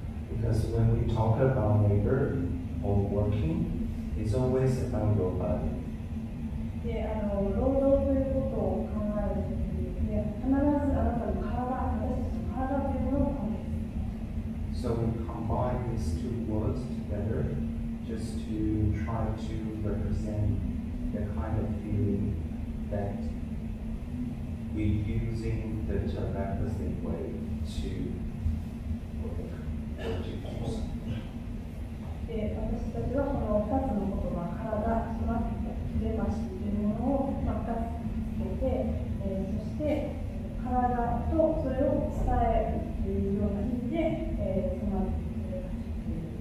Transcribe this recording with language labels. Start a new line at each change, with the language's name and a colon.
English: Because when we talk about labor or working, it's always about your body.
Japanese: で、労働ということを考えるときに、必ずあなたの体、私たちの体というものを考えます。
English: So we combine these two words together just to try to represent the kind of feeling that we using the telepathy way to work.
Japanese: 私たちはこの2つの言葉、体、つまり、テレパシーというものを2つつけて、そして体とそれを伝えるというような意味で、つまり、